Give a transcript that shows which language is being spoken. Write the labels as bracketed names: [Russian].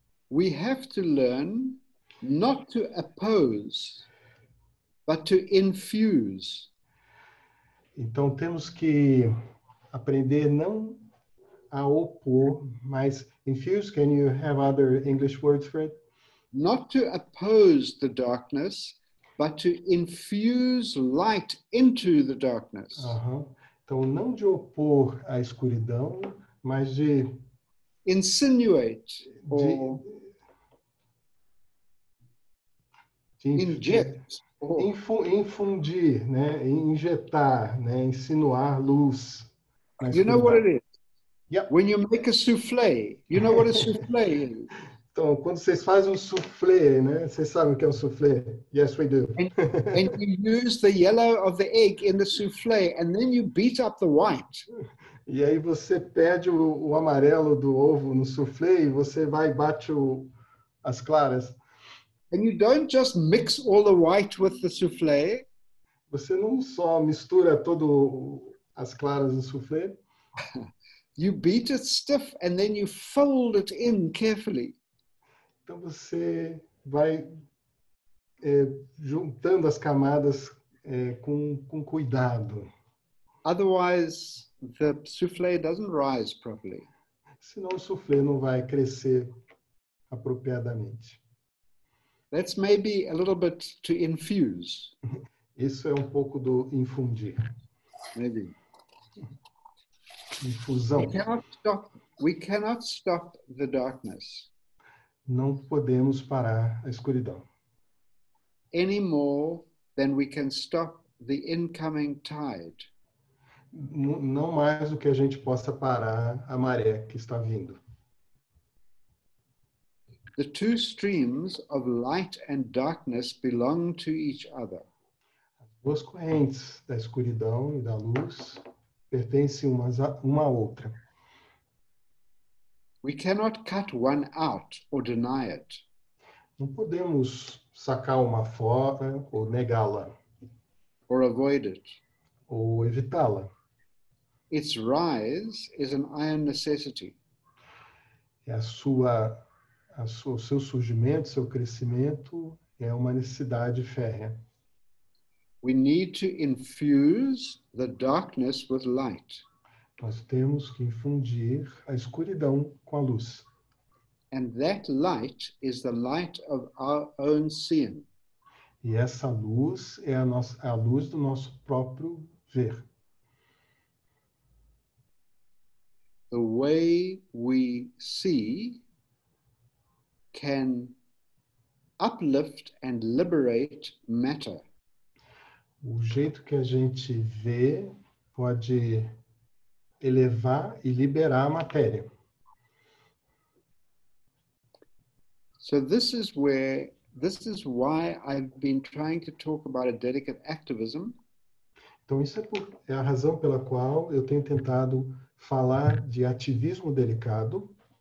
[English] We have to learn not to oppose, but to infuse. [Portuguese] Então, temos que aprender não a opor, mas infuse. [English] Can you have other English words for it? Not to oppose the darkness, but to infuse light into the darkness. [Portuguese] Então, não de opor à escuridão, mas de [English] insinuate or inject. [Portuguese] Infundir, né? Injetar, né? Insinuar luz. [English] You know what it is? Yep. When you make a soufflé, you know what a soufflé is? [Portuguese] Então, quando vocês fazem um soufflé, né? Vocês sabem o que é um soufflé? [English] Yes, we do. And you use the yellow of the egg in the soufflé, and then you beat up the white. [Portuguese] E aí você perde o amarelo do ovo no soufflé e você vai e bate as claras. [English] And you don't just mix all the white with the soufflé. [Portuguese] Você não só mistura todo as claras no soufflé. [English] You beat it stiff and then you fold it in carefully. [Portuguese] Então você vai juntando as camadas com cuidado. [English] Otherwise, the soufflé doesn't rise properly. [Portuguese] Senão o soufflé não vai crescer apropriadamente. [English] That's maybe a little bit to infuse. [Portuguese] Isso é um pouco do infundir. [English] Maybe. [Portuguese] Infusão. [English] We cannot stop the darkness. [Portuguese] Não podemos parar a escuridão. [English] Any more than we can stop the incoming tide. [Portuguese] Não mais do que a gente possa parar a maré que está vindo. [English] The two streams of light and darkness belong to each other. [Portuguese] As duas correntes da escuridão e da luz pertencem uma à outra. [English] We cannot cut one out or deny it. [Portuguese] Não podemos sacar uma fora ou negá-la. [English] Or avoid it. [Portuguese] Ou evitá-la. [English] Its rise is an iron necessity. [Portuguese] É o seu surgimento, seu crescimento é uma necessidade férrea. [English] We need to infuse the darkness with light. [Portuguese] Nós temos que infundir a escuridão com a luz. [English] And that light is the light of our own seeing. [Portuguese] E essa luz é a luz do nosso próprio ver. [English] The way we see can uplift and liberate matter. [Portuguese] O jeito que a gente vê pode elevar e liberar a matéria. [English] So this is where, this is why I've been trying to talk about a delicate activism. [Portuguese] Então isso é a razão pela qual eu tenho tentado falar de ativismo delicado.